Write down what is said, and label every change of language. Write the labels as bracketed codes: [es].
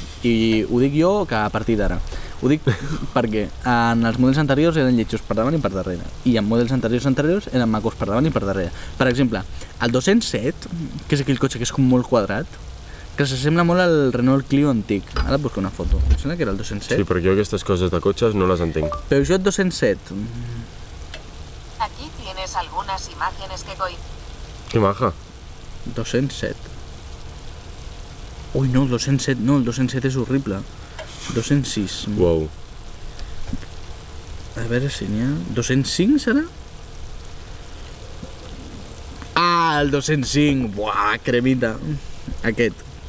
[ca] I ho dic jo que a partir d'ara. Ho dic perquè en els models anteriors eren lletjos per davant i per darrere. I en models anteriors eren macos per davant i per darrere. Per exemple, el 207, que és aquell cotxe que és com molt quadrat, que s'assembla molt al Renault Clio antic. Ara busco una foto. Em sembla que era el 207. Sí, perquè jo aquestes coses de cotxes no les entenc. Peugeot 207. [es] Aquí tienes algunas imágenes que coi... [ca] Que maja. 207. Ui, no, el 207, no, el 207 és horrible. 206. Wow. A veure si n'hi ha... 205 serà? Ah, el 205. Buah, cremita. Aquest.